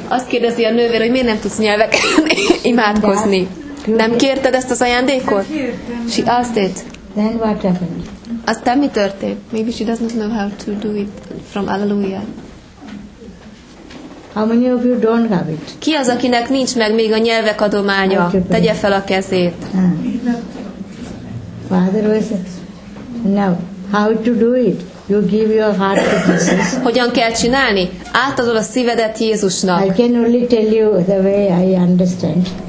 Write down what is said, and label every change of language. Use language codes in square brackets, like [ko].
[hu] Azt kérdezi a nővér, hogy miért nem tudsz nyelveken imádkozni. Nem kérted ezt az ajándékot? [en] She asked it. Then what happened? [hu] Aztán mi történt? [en] Maybe she doesn't know how to do it from Alleluia. How many of you don't have it? [hu] Ki az, akinek nincs meg még a nyelvek adománya? Tegye fel a kezét. [en] Father was now how to do it? You give your heart to Jesus. [hu] Hogyan kell csinálni? Átadod a szívedet Jézusnak. [en] I can only tell you the way I understand.